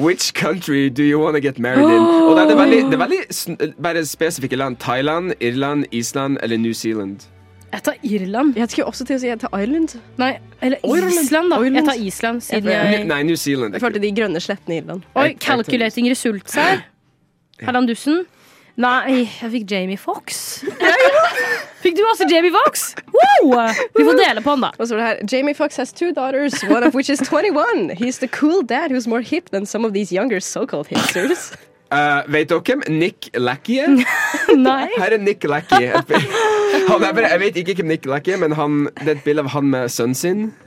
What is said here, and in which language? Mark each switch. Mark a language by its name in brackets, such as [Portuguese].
[English] Which country do you want to get married in? [Norwegian] Og det er veldig, bare spesifikke land. Thailand, Irland, Island eller New Zealand? Jeg tar Irland. Jeg skulle også til å si jeg tar Ireland. Nei, eller Island da. Jeg tar Island siden jeg... Nei, New Zealand. Jeg følte de grønne slettene i Irland. Oi, [English] calculating results [Norwegian] her. Herland Dussen. Nei, jeg fikk Jamie Fox. Fikk du også Jamie Fox? Wow! Vi får dele på han da. Og så var det her. [English] Jamie Fox has 2 daughters, one of which is 21. He's the cool dad who's more hip than some of these younger so-called hipsters. [Norwegian] Vet dere hvem? Nick Lackey? Nei. Her er Nick Lackey. Jeg vet ikke hvem Nick Lackey er, men det er et bilde av han med sønnen sin.